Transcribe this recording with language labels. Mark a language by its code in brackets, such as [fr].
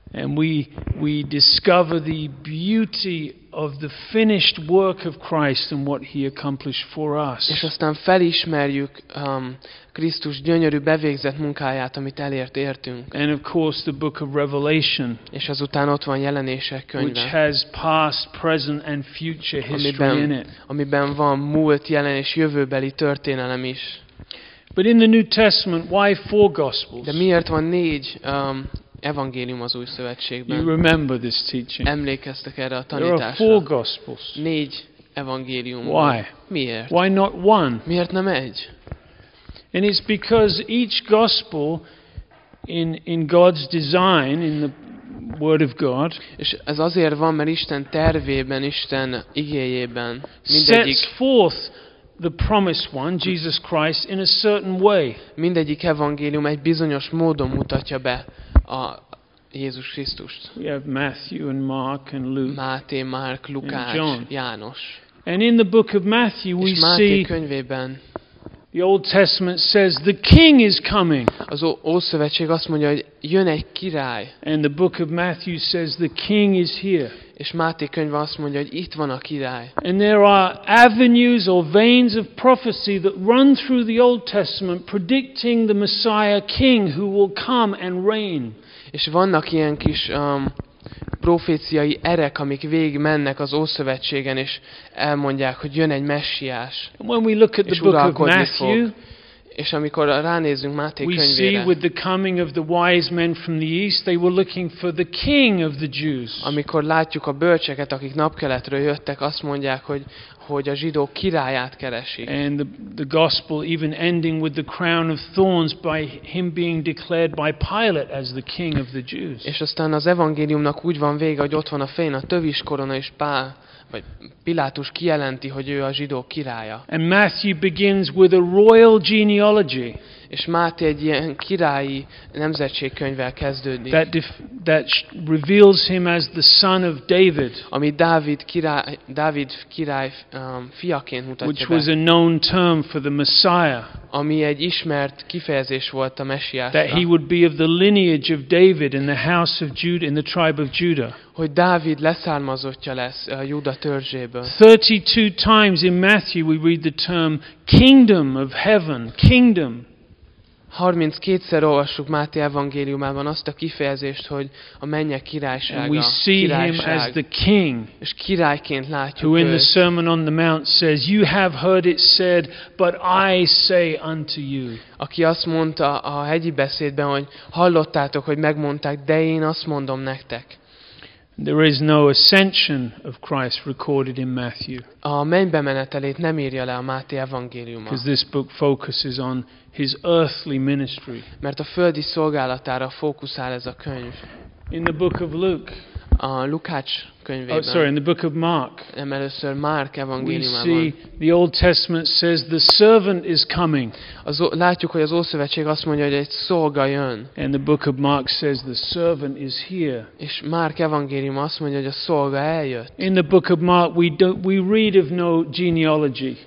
[en] And we discover the beauty of the finished work of Christ and what he accomplished for us. [hu] És aztán felismerjük Krisztus gyönyörű bevégzett munkáját, amit elért értünk. [en] And of course the book of Revelation. [hu] És azután ott van Jelenések könyve. [en] Which has past, present and future history in it. [hu] Amiben van múlt, jelen és jövőbeli történelem is. [en] But in the New Testament, why four gospels? [hu] De miért van négy evangélium az Új Szövetségben? [en] You remember this teaching. [hu] Emlékeztek erre a tanításra? [en] There are four gospels. [hu] Négy evangélium. [en] Why? [hu] Miért? [en] Why not one? [hu] Miért nem egy? [en] And it's because each gospel in God's design in the Word of God. [hu] És ez azért van, mert Isten tervében, Isten igéjében mindegyik. [en] Sets forth the promised one, Jesus Christ, in a certain way. [hu] Mindegyik evangélium egy bizonyos módon mutatja be a Jézus Krisztust. [en] We have Matthew and Mark and Luke. [hu] Máté, Márk, Lukács, [en] and John. [hu] János. [en] And in the book of Matthew we [hu] Máté [en] see [hu] könyvében [en] the Old Testament says the king is coming. [hu] Az Ószövetség azt mondja, hogy jön egy király. [en] And the book of Matthew says the king is here. [hu] És Máté könyve azt mondja, hogy itt van a király. [en] And there are avenues or veins of prophecy that run through the Old Testament predicting the Messiah king who will come and reign. [hu] És vannak ilyen kis proféciai erek, amik végig mennek az Ószövetségen, és elmondják, hogy jön egy Messiás. [en] And when we look at the book of Matthew, [hu] és amikor ránézünk Máté [en] we [hu] könyvére, [en] see with the coming of the wise men from the east, they were looking for the king of the Jews. [hu] Amikor látjuk a bölcseket, akik napkeletről jöttek, azt mondják, hogy a zsidók királyát keresik. [en] And the gospel even ending with the crown of thorns by him being declared by Pilate as the king of the Jews. [hu] És aztán az evangéliumnak úgy van vége, hogy ott van a fején a tövis korona és Pál, vagy Pilátus kijelenti, hogy ő a zsidó királya. [en] And Matthew begins with a royal genealogy. [hu] És Máté egy ilyen királyi nemzetségkönyvvel kezdődik. [en] That reveals him as the son of David. [hu] Ami Dávid király fiaként mutatja [en] which [hu] be. [en] Which was a known term for the Messiah. [hu] Ami egy ismert kifejezés volt a Messiásra. [en] That he would be of the lineage of David in the house of Judah, in the tribe of Judah. [hu] Hogy Dávid leszármazottja lesz a Júda törzséből. [en] 32 times in Matthew we read the term kingdom of heaven, kingdom. [hu] 32-szer olvassuk Máté evangéliumában azt a kifejezést, hogy a mennyek királysága, [en] we see him as the king, [hu] és királyként látjuk [en] who [hu] őt. [en] Who in the Sermon on the Mount says, you have heard it said, but I say unto you. [hu] Aki azt mondta a hegyi beszédben, hogy hallottátok, hogy megmondták, de én azt mondom nektek. [en] There is no ascension of Christ recorded in Matthew. [hu] A mennybe menetelét nem írja le a Máté evangéliuma. [en] Because this book focuses on his earthly ministry. [hu] Mert a földi szolgálatára fókuszál ez a könyv. [en] In the book of Luke, [hu] a Lukács könyvében. [en] Oh, sorry, in the book of Mark. [hu] Először Márk evangéliumában. [en] We see the Old Testament says the servant is coming. [hu] Látjuk, hogy az Ószövetség azt mondja, hogy egy szolga jön. [en] And the book of Mark says the servant is here. [hu] És Márk evangélium azt mondja, hogy a szolga eljött. [en] In the book of Mark we read of no genealogy.